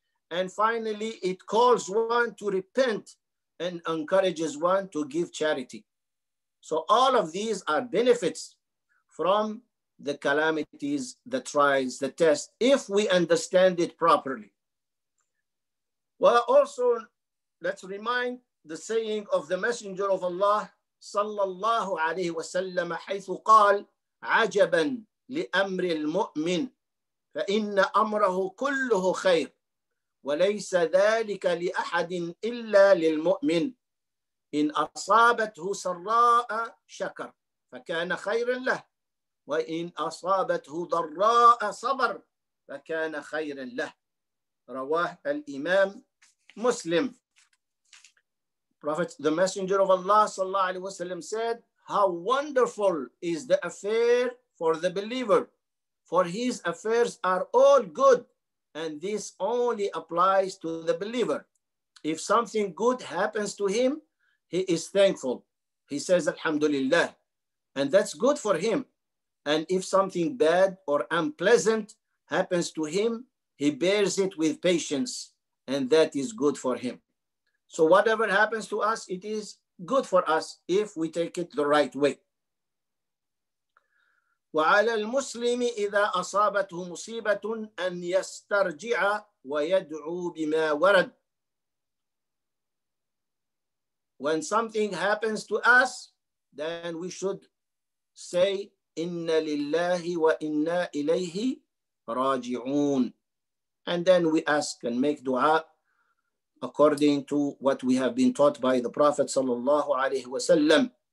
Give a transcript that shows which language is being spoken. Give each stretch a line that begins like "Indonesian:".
English: And finally, it calls one to repent and encourages one to give charity." So all of these are benefits from the calamities, the trials, the tests, if we understand it properly. Well, also, let's remind the saying of the Messenger of Allah, sallallahu alayhi wa sallam,
Arabic: حيث قال, "عجباً لأمر المؤمن فإن أمره كله خير وليس ذلك لأحد إلا للمؤمن إن أصابته سراء شكر فكان خيرا له وإن أصابته ضراء صبر فكان خيرا له." رواه الإمام مسلم.
English: Prophet, the Messenger of Allah sallallahu alaihi wasallam said, "How wonderful is the affair for the believer, for his affairs are all good, and this only applies to the believer. If something good happens to him, he is thankful. He says, Alhamdulillah, and that's good for him. And if something bad or unpleasant happens to him, he bears it with patience, and that is good for him." So whatever happens to us, it is good for us if we take it the right way.
Arabic: وعلى المسلم إذا أصابته مصيبة أن يسترجع ويدعو بما ورد.
English: When something happens to us, then we should
Arabic: say inna lillahi wa inna ilayhi raji'un.
English: And then we ask and make dua according to what we have been taught by the Prophet sallallahu alayhi wa sallam.